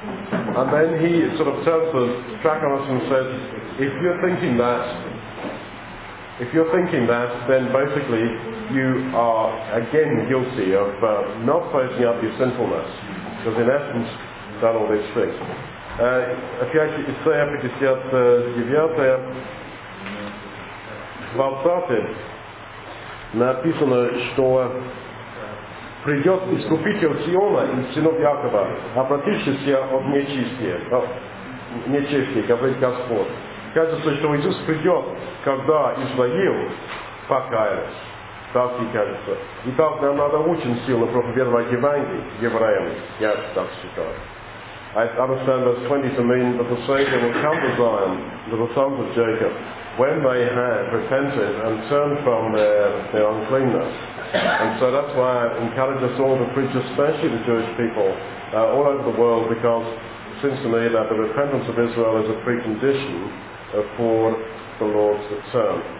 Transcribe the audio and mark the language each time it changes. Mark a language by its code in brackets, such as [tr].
[en] And then he sort of turns the track on us and says, if you're thinking that, then basically you are again guilty of not facing up your sinfulness, because in essence you've done all these things. [ru] Опять же, Исайя 59:20 написано, что придет искупитель Сиона и сынов Якова, обратившийся от нечестия, говорит Господь. Кажется, что Иисус придет, когда Израил покаялся. Так и кажется. И так нам надо очень сильно проповедовать Евангелие евреям. Я так считаю. [en] I understand verse 20 to mean that the Savior will come to Zion, to the sons of Jacob, when they have repented and turned from their uncleanness. And so that's why I encourage us all to preach, especially the Jewish people all over the world, because it seems to me that the repentance of Israel is a precondition for the Lord's return.